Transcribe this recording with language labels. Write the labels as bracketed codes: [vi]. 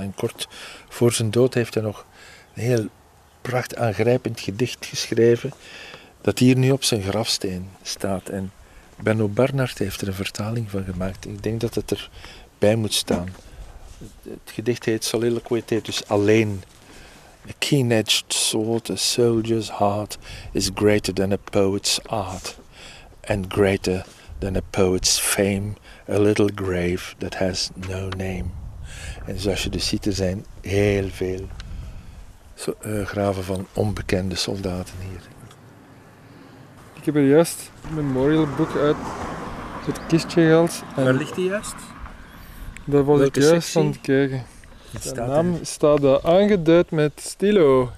[nl] En kort voor zijn dood heeft hij nog een heel prachtig aangrijpend gedicht geschreven dat hier nu op zijn grafsteen staat. En Benno Barnard heeft er een vertaling van gemaakt. Ik denk dat het erbij moet staan. Het gedicht heet Soliloquy, heet dus alleen. [en] A keen-edged sword, a soldier's heart is greater than a poet's art and greater than a poet's fame, a little grave that has no name. [nl] En zoals je dus ziet, er zijn heel veel graven van onbekende soldaten hier. Ik heb er juist een memorial book uit het kistje gehaald. Waar ligt die juist? Daar was ik juist aan het kijken. De naam staat daar aangeduid met stilo.